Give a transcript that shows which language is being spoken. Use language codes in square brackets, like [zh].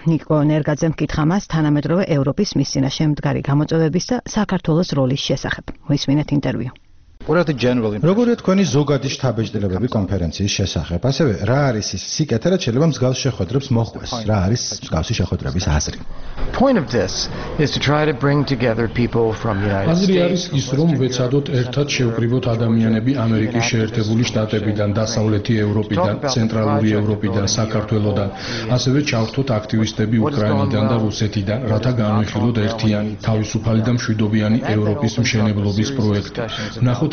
[ka] ნიკო ნერგაძემ კითხა მას თანამედროვე ევროპის მისიაში მდგარი გამოწვევების და საქართველოს როლის შესახებ. მოისმინეთ ინტერვიუ. როგორია თქვენი ზოგადი შთაბეჭდილებები კონფერენციის შესახებ? ასევე, რა არის ის სიკეთე, რაც შეიძლება მსგავს შეხვედრებს მოხდეს? რა არის მსგავსი შეხვედრების აზრი? [en] Point of this is to try to bring together people from the United States. [ka] აზრი არის ის, რომ ვეცადოთ ერთად შევკრიბოთ ადამიანები ამერიკის შეერთებული შტატებიდან, დასავლეთი ევროპიდან, ცენტრალური ევროპიდან, საქართველოდან. ასევე ჩავხვდეთ აქტივისტები უკრაინიდან და რუსეთიდან, რათა განვიხილოთ ერთიანი, თავისუფალი და მშვიდობიანი ევროპის მშენებლობის პროექტი. ნახოთ